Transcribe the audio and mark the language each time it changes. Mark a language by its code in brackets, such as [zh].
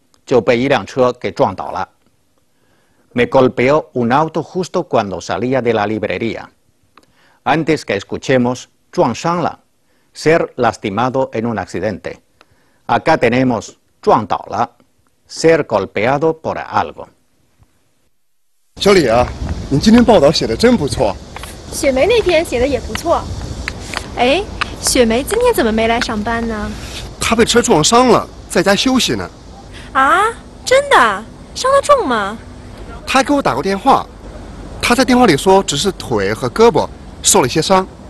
[zh] 我刚从书店出来，就被一辆车给撞倒了. [es] Me golpeó un auto justo cuando salía de la librería. Antes que escuchemos, 撞伤了, ser lastimado en un accidente. Acá tenemos 撞倒了, ser golpeado por algo. [zh] 小李啊，你今天报道写得真不错。雪梅那天写的也不错。哎，雪梅今天怎么没来上班呢？她被车撞伤了，在家休息呢。啊，真的？伤得重吗？她给我打过电话，她在电话里说只是腿和胳膊受了一些伤。